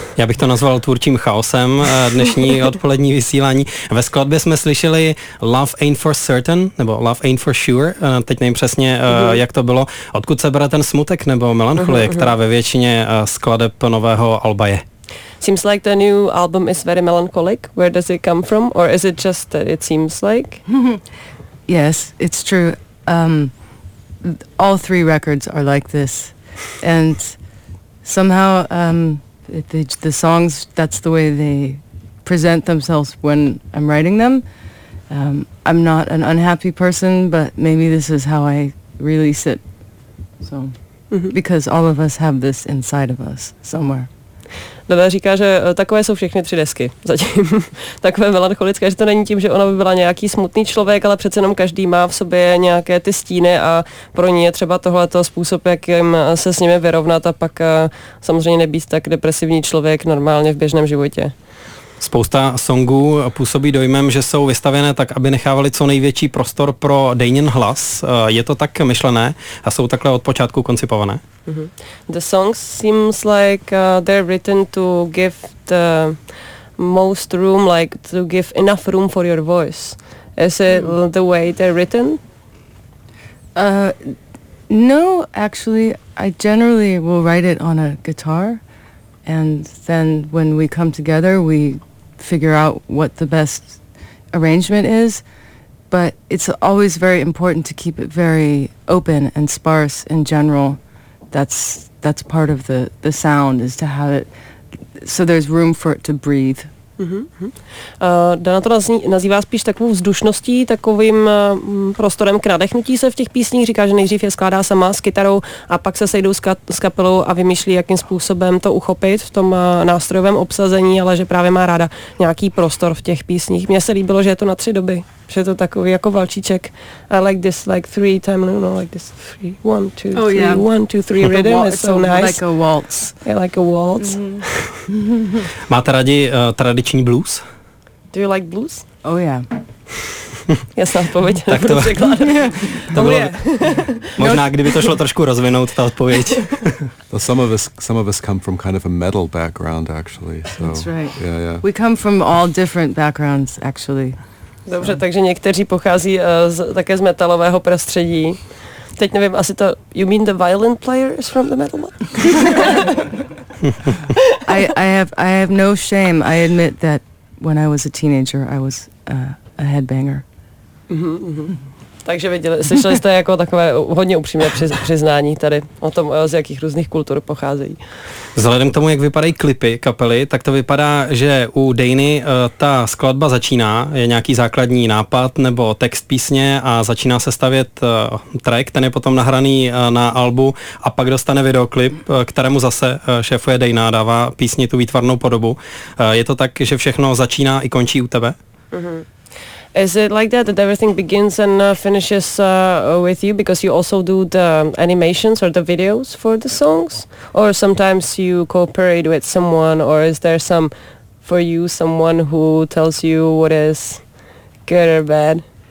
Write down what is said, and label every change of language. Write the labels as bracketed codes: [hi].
[cs] Jak to nazval tvůrčím chaosem dnešní odpolední vysílání. Ve skladbě jsme slyšeli Love Ain't For Certain, nebo Love Ain't For Sure, teď nevím přesně, jak to bylo. Odkud se bere ten smutek nebo melancholie, která ve většině skladeb nového alba je? [en] Seems like the new album is very melancholic. Where does it come from? Or is it just that it seems like? Yes, it's true. All three records are like this. And somehow the songs, that's the way they present themselves when I'm writing them. I'm not an unhappy person, but maybe this is how I release it. So, because all of us have this inside of us somewhere. [cs] Dada říká, že takové jsou všechny tři desky zatím. Takové melancholické, že to není tím, že ona by byla nějaký smutný člověk, ale přece jenom každý má v sobě nějaké ty stíny a pro ní je třeba tohleto způsob, jakým se s nimi vyrovnat a pak samozřejmě nebýt tak depresivní člověk normálně v běžném životě. Spousta songů působí dojmem, že jsou vystavené tak, aby nechávali co největší prostor pro Danin hlas. Je to tak myšlené a jsou takhle od počátku koncipované? [en] The songs seems like they're written to give the most room, like to give enough room for your voice. Is it the way they're written? No, actually, I generally will write it on a guitar and then when we come together, we figure out what the best arrangement is, but it's always very important to keep it very open and sparse in general. That's part of the sound, is to have it so there's room for it to breathe. [cs] Dana to nazývá spíš takovou vzdušností, takovým prostorem k nadechnutí se v těch písních. Říká, že nejdřív je skládá sama s kytarou a pak se sejdou s kapelou a vymýšlí, jakým způsobem to uchopit v tom nástrojovém obsazení, ale že právě má ráda nějaký prostor v těch písních. Mně se líbilo, že je to na tři doby, že je to takový jako valčíček. [en] I like this like three time, no, no, like this three, one, two, oh, three, yeah. One, two, three rhythm, it's so nice. Like a waltz. Yeah, like a waltz. Mm-hmm. [cs] Máte rádi tradiční blues? [en] Do you like blues? Oh yeah. [cs] Jasná odpověď, tak to překládat. [en] Oh, yeah. [cs] Možná, kdyby to šlo trošku rozvinout, ta odpověď. [en] Well, some of us come from kind of a metal background, actually. So, that's right. Yeah, yeah. We come from all different backgrounds, actually. [cs] Dobře, takže někteří pochází také z metalového prostředí. Teď nevím, asi to... [en] You mean the violin player is from the metal one? I have no shame. I admit that when I was a teenager, I was a headbanger. [cs] Takže viděli, slyšeli jste jako takové hodně upřímné přiznání tady o tom, z jakých různých kultur pocházejí. Vzhledem k tomu, jak vypadají klipy kapely, tak to vypadá, že u Dany ta skladba začíná, je nějaký základní nápad nebo text písně a začíná se stavět track, ten je potom nahraný na albu a pak dostane videoklip, kterému zase šéfuje Dana, dává písni tu výtvarnou podobu. Je to tak, že všechno začíná i končí u tebe? [en] Is it like that, that everything begins and finishes with you, because you also do the animations or the videos for the songs? Or sometimes you cooperate with someone, or is there some, for you, someone who tells you what is good or bad?